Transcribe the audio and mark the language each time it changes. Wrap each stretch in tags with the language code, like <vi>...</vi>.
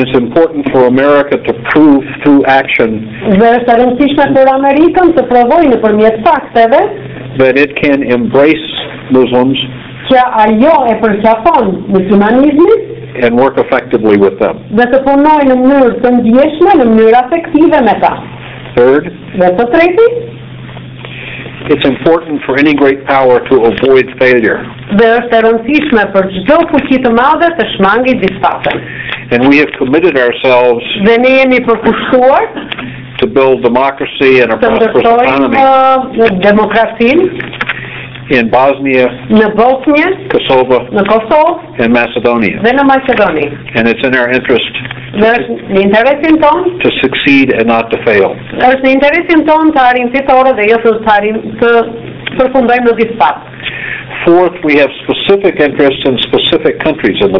<en>it's important for America to prove through action that it can embrace Muslims and work effectively with them.</en> <sq>Dhe të punojë në mënyrë të ndjeshme, në mënyrë efektive me ta.</sq> <en>Third,</en> <sq>dhe të treti,</sq> <en>it's important for any great power to avoid failure.</en> <sq>Dhe është e rëndësishme për çdo fuqi të madhe të shmangit disfatën.</sq> <en>And we have committed ourselves</en> <sq>dhe ne jemi përkushtuar</sq> <en>to build democracy and a prosperous economy.</en> <sq>Demokracinë</sq> <en>in Bosnia,</en> <sq>në Bosnia,</sq> <en>Kosovo,</en> <sq>në Kosovë,</sq> <en>and Macedonia.</en> <sq>Dhe në Macedoni.</sq> <en>And it's in our interest to succeed and not to fail.</en> <sq>Është në interesin ton të arrim fitore dhe jo të përfundojmë në disfat.</sq> <en>Fourth, we have specific interests in specific countries in the</en>